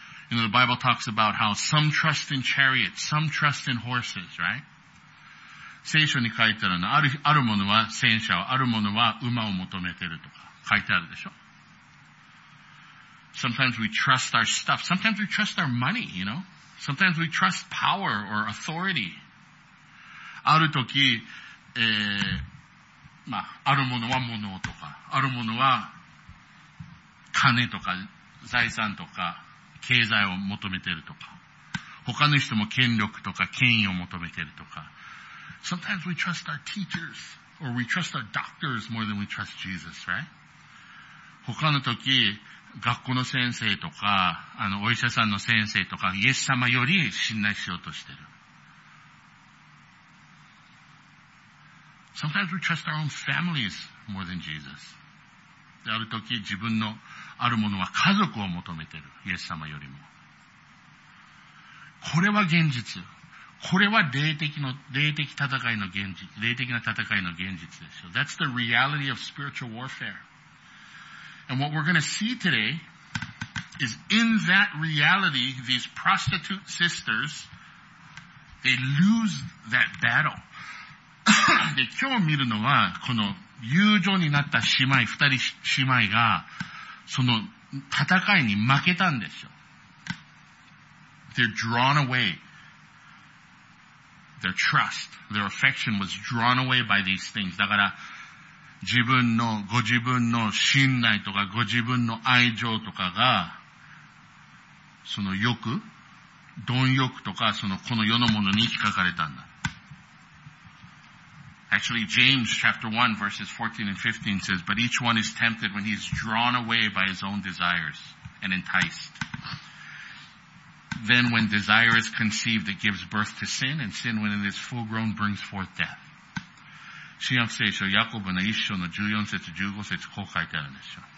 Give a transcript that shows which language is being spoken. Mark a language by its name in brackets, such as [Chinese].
[English] You know, the Bible talks about how some trust in chariots, some trust in horses, right? [Japanese] 聖書に書いてあるの、あるものは戦車を、あるものは馬を求めてるとか書いてあるでしょ。 [English] Sometimes we trust our stuff. Sometimes we trust our money, you know? Sometimes we trust power or authority. [Japanese] ある時、まあ、あるものは物とか、あるものは金とか財産とか経済を求めてるとか、他の人も権力とか権威を求めてるとか。 [English] Sometimes we trust our teachers or we trust our doctors more than we trust Jesus, right? [Japanese] 他の時、学校の先生とか、お医者さんの先生とか、イエス様より信頼しようとしてる。 [English] Sometimes we trust our own families more than Jesus. [Japanese] である時、自分のあるものは家族を求めている、イエス様よりも。これは現実。これは霊的な戦いの現実でしょう。 [English] That's the reality of spiritual warfare. And what we're going to see today is in that reality, these prostitute sisters, they lose that battle. [Japanese] で、今日見るのは、この友情になった姉妹、二人姉妹が、その戦いに負けたんですよ。 [English] They're drawn away. Their trust, their affection was drawn away by these things. [Japanese] だから、ご自分の信頼とか、ご自分の愛情とかが、その欲、貪欲とか、そのこの世のものに引っかかれたんだ。 [English] Actually, James chapter 1 verses 14 and 15 says, But each one is tempted when he is drawn away by his own desires and enticed. Then when desire is conceived, it gives birth to sin, and sin when it is full grown brings forth death. [Japanese] 新約聖書ヤコブの一章の14節15節こう書いてあるんですよ。